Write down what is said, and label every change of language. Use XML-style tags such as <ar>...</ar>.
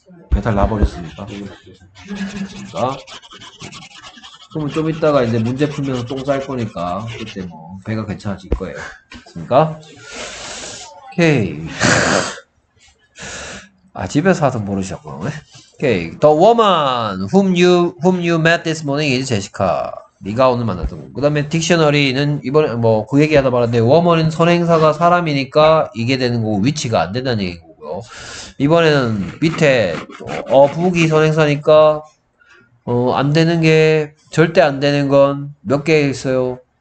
<ko>배탈 나버렸습니까? 됐습니까? 그러면 좀 이따가 이제 문제 풀면서 똥 쌀 거니까 그때 뭐 배가 괜찮아질 거예요. 됐습니까? 오케이. 아, 집에서 하던 모르셨구나. 오케이.</ko> <en>The woman whom you met this morning is Jessica.</en> <ko>네가 오늘 만났던 거. 그 다음에 딕셔너리는 이번에 뭐 그 얘기하다 말았는데 워먼은 선행사가 사람이니까 이게 되는 거고 위치가 안 된다는 얘기고요. 이번에는 밑에 어부기 선행사니까 안 되는 게 절대 안 되는 건 몇 개 있어요?</ko>